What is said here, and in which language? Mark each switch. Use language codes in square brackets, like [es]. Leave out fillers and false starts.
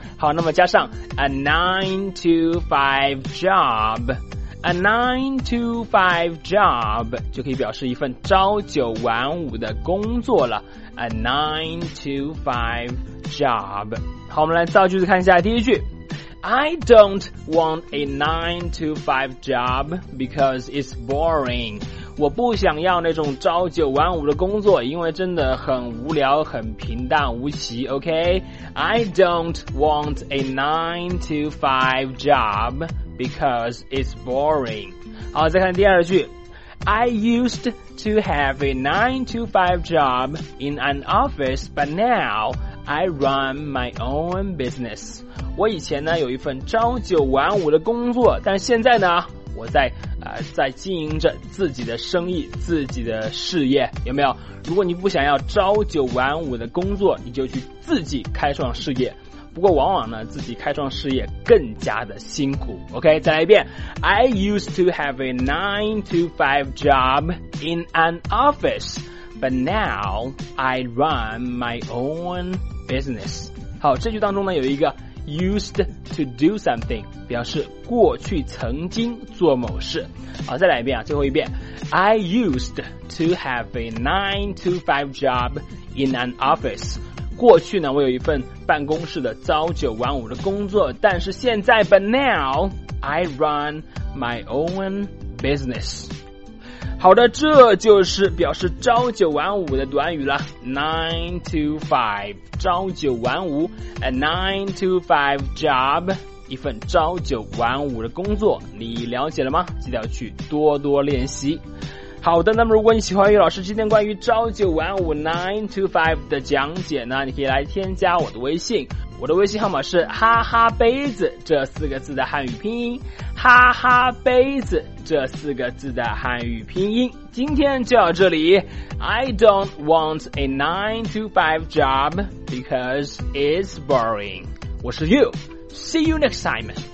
[zh] 好，那么加上 [en] a nine to five job, [zh] a nine to five job, 就可以表示一份朝九晚五的工作了。 [en] A 9-to-5 job. [zh] 好，我们来造句子看一下第一句。 [en] I don't want a 9-to-5 job because it's boring. [zh] 我不想要那种朝九晚五的工作，因为真的很无聊，很平淡无奇， OK? [en] I don't want a 9-to-5 job because it's boring. [zh] 好，再看第二句。 [en] I used to have a 9-to-5 job in an office, but now I run my own business. [zh] 我以前呢有一份朝九晚五的工作，但现在呢我在经营着自己的生意，自己的事业，有没有？如果你不想要朝九晚五的工作，你就去自己开创事业。不过往往呢自己开创事业更加的辛苦。 OK, 再来一遍。 [en] I used to have a 9-to-5 job in an office, but now I run my own business. [zh] 好，这句当中呢有一个 [en] used to do something, [zh] 表示过去曾经做某事。好，再来一遍啊，最后一遍。 [en] I used to have a 9-to-5 job in an office, [zh] 过去呢我有一份办公室的朝九晚五的工作，但是现在 [en] but now I run my own business。 [zh] 好的，这就是表示朝九晚五的短语了， 9-to-5 朝九晚五， [en] a 9-to-5 job, [zh] 一份朝九晚五的工作，你了解了吗？记得要去多多练习。好的，那么如果你喜欢于老师今天关于朝九晚五 9-to-5 的讲解呢，你可以来添加我的微信，我的微信号码是哈哈杯子这四个字的汉语拼音，哈哈杯子这四个字的汉语拼音。今天就到这里。 [en] I don't want a 9-to-5 job because it's boring. [zh] 我是 [en] You, See you next time.